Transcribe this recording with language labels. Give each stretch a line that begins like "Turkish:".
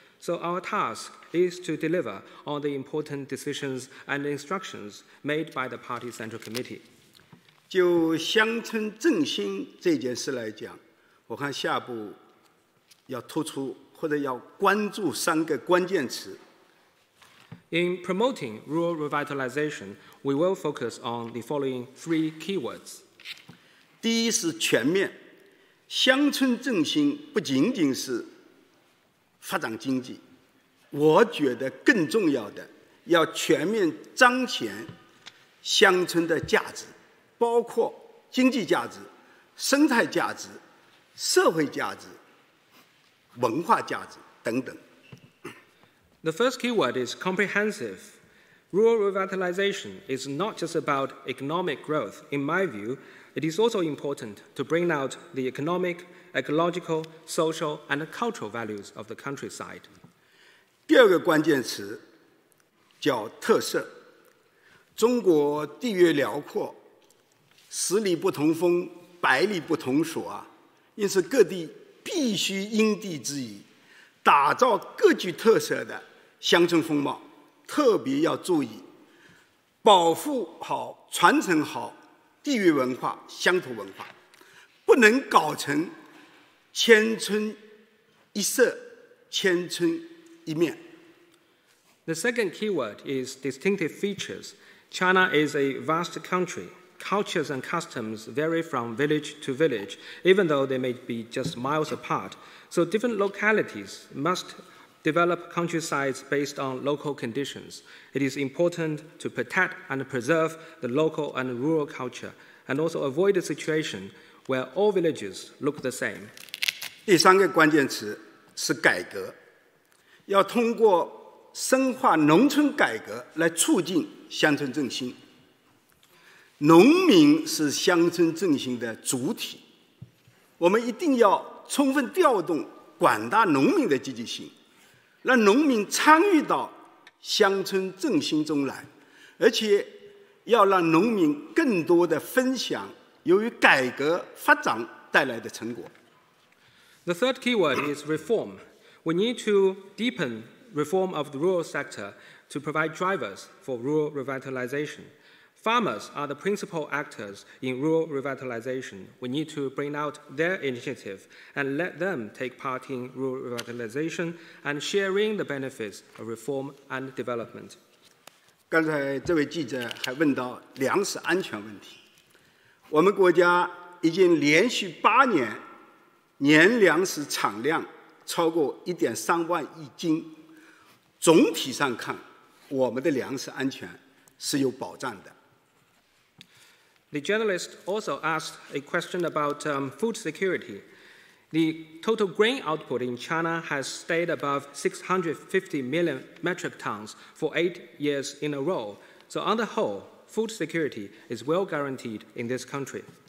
English: So our task is to deliver on the important decisions and instructions made by the Party Central Committee.
Chinese: 就乡村振兴这件事来讲，我看下一步要突出或者要关注三个关键词。
English: In promoting rural revitalization, we will focus on the following three keywords.
Chinese: 第一是全面，乡村振兴不仅仅是发展经济，我觉得更重要的，要全面彰显乡村的价值，包括经济价值、生态价值、社会价值、文化价值。等等。
English: The first keyword is comprehensive. Rural revitalization is not just about economic growth. In my view, it is also important to bring out the economic, ecological, social, and cultural values of the countryside.
Chinese: 第二个关键词叫特色。中国地域辽阔，十里不同风，百里不同俗啊，因此各地必须因地制宜，打造各具特色的乡村风貌，特别要注意保护好、传承好地域文化、乡土文化，不能搞成千村一色、千村一面。
English: The second keyword is distinctive features. China is a vast country. Cultures and customs vary from village to village, even though they may be just miles apart. So different localities must develop countrysides based on local conditions. It is important to protect and preserve the local and rural culture, and also avoid a situation where all villages look the same.
Chinese: 第三个关键词是改革，要通过深化农村改革来促进乡村振兴。农民是乡村振兴的主体，我们一定要充分调动广大农民的积极性，让农民参与到乡村振兴中来，而且要让农民更多的分享由于改革发展带来的成果。
English: The third keyword is reform. We need to deepen reform of the rural sector to provide drivers for rural revitalization. Farmers are the principal actors in rural revitalization. We need to bring out their initiative and let them take part in rural revitalization and sharing the benefits of reform and development.
Chinese: 刚才这位记者还问到粮食安全问题。我们国家已经连续八年年粮食产量超过 1.3 万亿斤，总体上看，我们的粮食安全是有保障的。
English: The journalist also asked a question about food security. The total grain output in China has stayed above 650 million metric tons for 8 years in a row. So on the whole, food security is well guaranteed in this country.